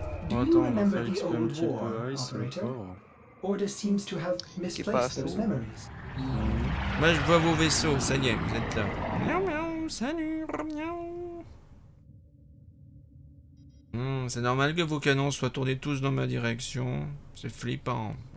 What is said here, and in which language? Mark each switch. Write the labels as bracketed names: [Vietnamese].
[French] Oh, attends, on va faire expérimenter un petit peu Ice encore. [English] Order seems to have misplaced those memories. [French] Bah, je vois vos vaisseaux, ça y est, vous êtes là. Miaou miaou, salut, miaou. C'est normal que vos canons soient tournés tous dans ma direction. C'est flippant.